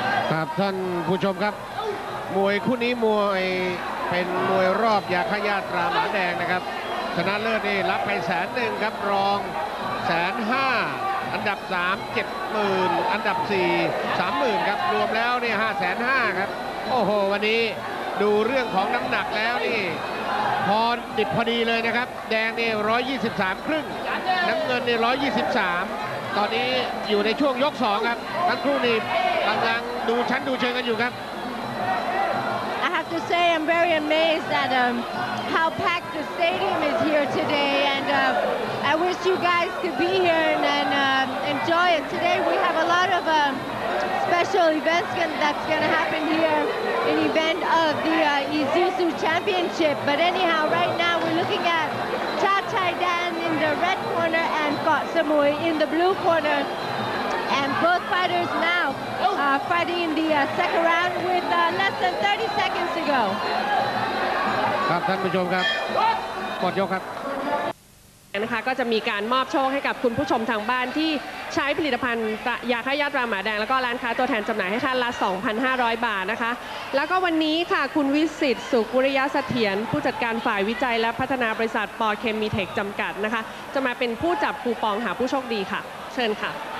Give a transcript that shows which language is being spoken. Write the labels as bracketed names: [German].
[Thai] ครับท่านผู้ชมครับมวยคู่นี้มวยเป็นมวยรอบยาขย่าตราหมาแดงนะครับชนะเลิศนี่รับไปแสนหนึ่งครับรอง150,000อันดับ3 70,000 อันดับ4 30,000 ครับรวมแล้วเนี่ย 550,000 ครับโอ้โหวันนี้ดูเรื่องของน้ำหนักแล้วนี่ พอดิบพอดีเลยนะครับแดงนี่123ครึ่งน้ำเงินนี่123ตอนนี้อยู่ในช่วงยก2ครับทั้งคู่นี่กำลังดูชั้นดูเชิงกันอยู่ครับ [English] I have to say I'm very amazed at how packed the stadium is here today and I wish you guys could be here and enjoy it. Today we have a lot of special events that's going to happen here, an event of the Isuzu Championship. But anyhow, right now we're looking at Cha Chai Dan in the red corner and Kot Samui in the blue corner. And both fighters now fighting in the second round with less than 30 seconds to go. [Thai] ครับท่านผู้ชมครับกดยกครับ นะคะก็จะมีการมอบโชคให้กับคุณผู้ชมทางบ้านที่ใช้ผลิตภัณฑ์ยาขย่าตราหมาแดงแล้วก็ร้านค้าตัวแทนจำหน่ายให้ท่านละ 2,500 บาทนะคะแล้วก็วันนี้ค่ะคุณวิสิทธิ์สุขวิริยะเสถียรผู้จัดการฝ่ายวิจัยและพัฒนาบริษัทปอเคมีเทคจำกัดนะคะจะมาเป็นผู้จับคูปองหาผู้โชคดีค่ะเชิญค่ะ